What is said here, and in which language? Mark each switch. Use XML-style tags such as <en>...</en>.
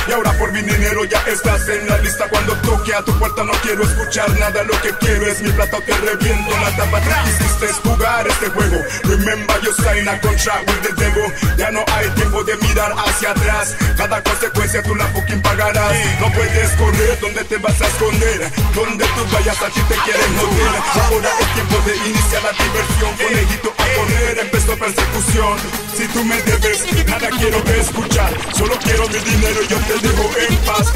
<es>Y ahora por mi dinero ya estás en la lista. Cuando toque a tu puerta no quiero escuchar nada. Lo que quiero es mi plato que reviento la tapa. Te quisiste jugar este juego.</es> <en>Remember you sign a contract with the devil.</en> <es>Ya no hay tiempo de mirar hacia atrás. Cada consecuencia tú la fucking pagarás. No puedes correr, ¿dónde te vas a esconder? Donde tú vayas a ti te quieren joder. Ahora es tiempo de iniciar la diversión. Conejito a poner empezó persecución. Si tú me debes, nada quiero escuchar. Solo quiero mi dinero y yo te dejo en paz.</es>